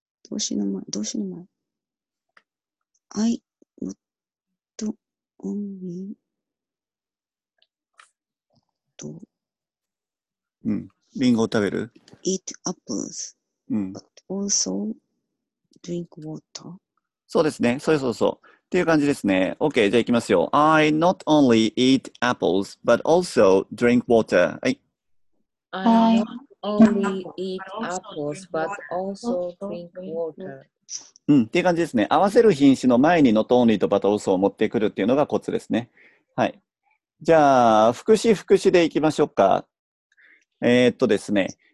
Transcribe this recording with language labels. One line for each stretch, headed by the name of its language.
Japanese: 動詞の前
English: I not only、
Japanese: どう、うん、リンゴを食べる
English: Eat apples、
Japanese: うん、
English: but also drink water。
Japanese: そうですね、そうっていう感じですね。OK、 じゃあいきますよ。
English: I not only eat apples but also drink water、
Japanese: はい、
English: I not only eat apples but also drink water、
Japanese: うん、っていう感じですね。合わせる品詞の前に not only と but also を持ってくるっていうのがコツですね。はい、じゃあ副詞副詞でいきましょうか。ですね。